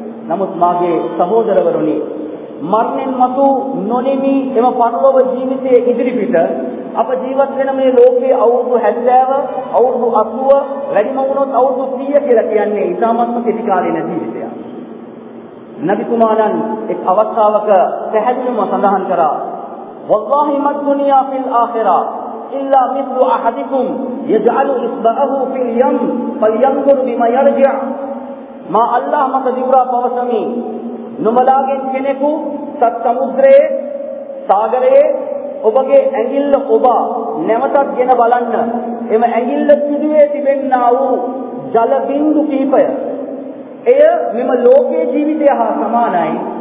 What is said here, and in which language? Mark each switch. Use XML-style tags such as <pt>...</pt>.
<si>නමුත් මාගේ සහෝදරවරුනි, මරණයන් මතු නොනිමි එම පරලොව ජීවිතයේ ඉදිරිපිට අප ජීවත් වෙන මේ ලෝකයේ අවුරුදු 70 අවුරුදු 80 වැඩිම වුණොත් අවුරුදු 100 කියලා කියන්නේ ඉසමත්ම කෙටි කාලීන ජීවිතයක්. නබි කුමාරන් එක් අවස්ථාවක පැහැදිලිවම සඳහන් කරා,</si> <ar>والله ما الدنيا في الاخره الا مثل احدكم يجعل اصبعه في اليم فلينظر بما يرجع ما الله ما ذكر</ar> <si>පවසමි. නුඹලාගෙන් කෙනෙකු සත් සමුද්‍රයේ සාගරයේ ඔබගේ ඇඟිල්ල ඔබ නැවතත් ගෙන බලන්න, එම ඇඟිල්ල සිදුවේ තිබෙන්නා වූ ජල බිඳු කිහිපය එය මෙම ලෝකයේ ජීවිතය හා සමානයි.</si>